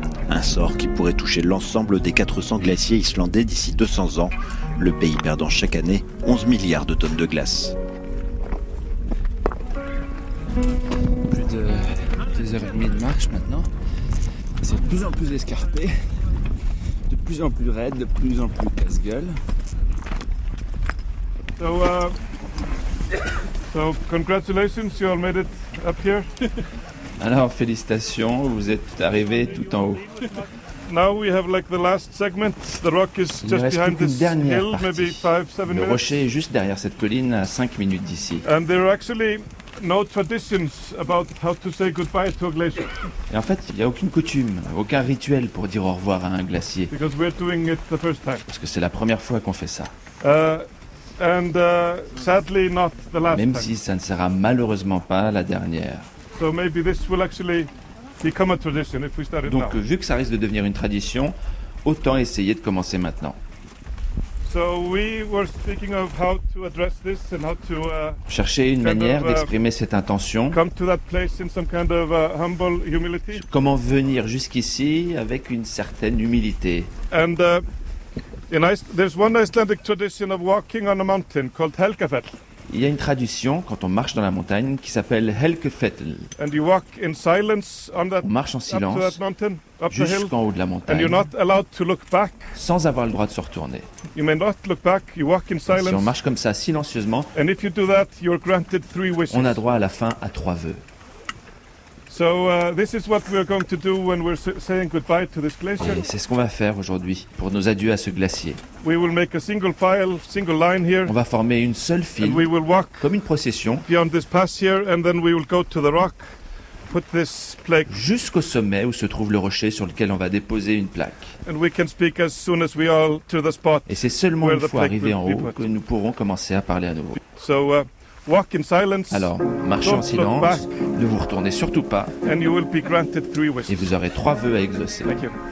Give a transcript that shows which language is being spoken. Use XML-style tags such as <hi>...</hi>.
<fr>Un sort qui pourrait toucher l'ensemble des 400 glaciers islandais d'ici 200 ans, le pays perdant chaque année 11 milliards de tonnes de glace. Plus de 2h30 de marche maintenant. C'est de plus en plus escarpé, de plus en plus raide, de plus en plus casse-gueule.</fr> <en>So congratulations, you all made it up here.</en> <fr>Alors félicitations, vous êtes arrivé tout en haut.</fr> <en>Now we have like the last segment. The rock is just behind this hill, maybe 5-7 minutes.</en> <fr>Le rocher est juste derrière cette colline à 5 minutes d'ici.</fr> <en>And there are actually no traditions about how to say goodbye to a glacier.</en> <fr>Et en fait, il n'y a aucune coutume, aucun rituel pour dire au revoir à un glacier.</fr> <en>Because we're doing it the first time.</en> <fr>Parce que c'est la première fois qu'on fait ça.</fr> <en>Sadly not the last</en> <fr>Même</fr> <en>time.</en> <fr>Si ça ne sera malheureusement pas la dernière.</fr> <en>So maybe this will actually become a tradition if we start it</en> <fr>Donc,</fr> <en>now.</en> <fr>Donc vu que ça risque de devenir une tradition, autant essayer de commencer maintenant.</fr> <en>So we were speaking of how to address this and how to</en> <fr>chercher une manière d'exprimer cette intention.</fr> <en>Come to that place in some kind of humble humility.</en> <fr>Comment venir jusqu'ici avec une certaine humilité.</fr> <en>And there's one Icelandic tradition of walking on a mountain called Helgafell.</en> <fr>Il y a une tradition quand on marche dans la montagne qui s'appelle Helgafell.</fr> <en>And you walk in silence on that.</en> <fr>On marche en silence</fr> <en>up to that mountain, up</en> <fr>jusqu'en haut de la montagne.</fr> <en>And you're not allowed to look back.</en> <fr>Sans avoir le droit de se retourner.</fr> <en>You may not look back. You walk in silence.</en> <fr>Si on marche comme ça silencieusement.</fr> <en>And if you do that, you're granted three wishes.</en> <fr>On a droit à la fin à 3 vœux.</fr> <en>So this is what we're going to do when we're saying goodbye to this glacier.</en> <fr>Et c'est ce qu'on va faire aujourd'hui pour nos adieux à ce glacier.</fr> <en>We will make a single file, single line here.</en> <fr>On va former une seule file.</fr> <en>And we will walk</en> <fr>comme une procession.</fr> <en>Beyond this pass here, and then we will go to the rock, put this plaque.</en> <fr>Jusqu'au sommet où se trouve le rocher sur lequel on va déposer une plaque.</fr> <en>And we can speak as soon as we all to the spot.</en> <fr>Et c'est seulement une fois arrivés en haut que nous pourrons commencer à parler à nouveau.</fr> <en>So walk in silence.</en> <fr>Alors, marchez</fr> <en>Don't</en> <fr>en silence,</fr> <en>back,</en> <fr>ne vous retournez surtout pas,</fr> <en>and you will be granted three wishes.</en> <fr>Et vous aurez 3 vœux à exaucer.</fr> <en>Thank you.</en>